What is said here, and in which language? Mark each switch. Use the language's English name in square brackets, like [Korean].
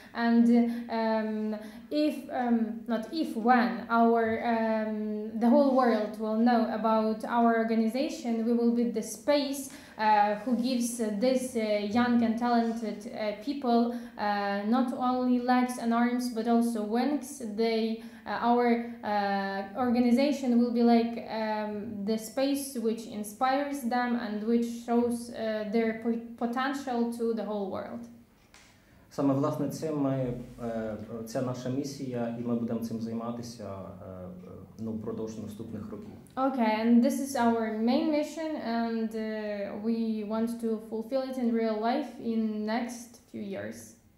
[English] And the whole world will know about our organization, we will be the space who gives this young and talented people not only legs and arms but also wings. Our organization will be like the space which inspires them and which shows their potential to the whole world. [Ukrainian] Саме власне цим ми, це наша місія, і ми будемо цим займатися впродовж наступних років. [English] Okay, and this is our main mission, and we want to fulfill it in real life in next few years.